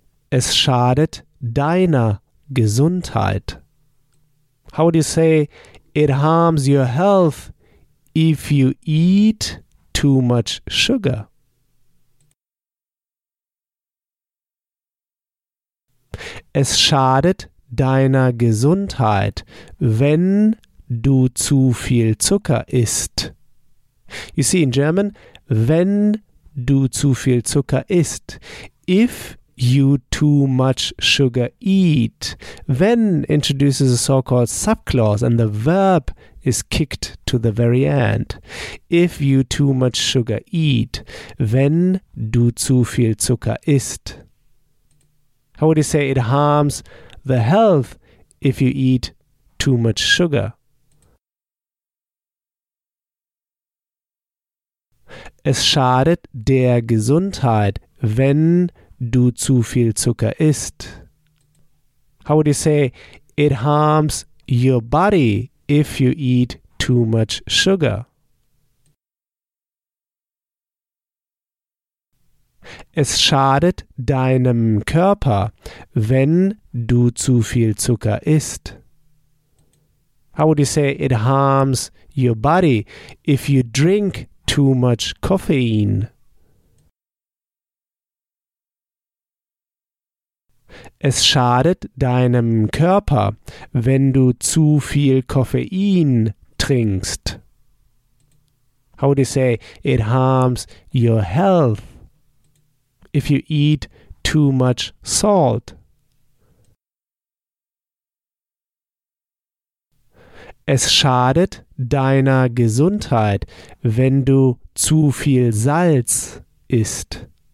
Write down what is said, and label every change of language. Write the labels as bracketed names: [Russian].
[German] Es schadet deiner Gesundheit. [English] How would you say it harms your health if you eat too much sugar? [German] Es schadet deiner Gesundheit, wenn du zu viel Zucker isst. [English] You see, in German, [German] wenn du zu viel Zucker isst. [English] If you too much sugar eat. Wenn introduces a so-called subclause and the verb is kicked to the very end. If you too much sugar eat. [German] Wenn du zu viel Zucker isst. [English] How would you say it harms the health if you eat too much sugar? [German] Es schadet der Gesundheit, wenn du zu viel Zucker isst. [English] How would you say it harms your body if you eat too much sugar? [German] Es schadet deinem Körper, wenn du zu viel Zucker isst? [English] How would you say it harms your body if you drink too much caffeine? [German] Es schadet deinem Körper, wenn du zu viel Koffein trinkst. [English] How would you say it harms your health if you eat too much salt? [German] Es schadet deiner Gesundheit, wenn du zu viel Salz isst.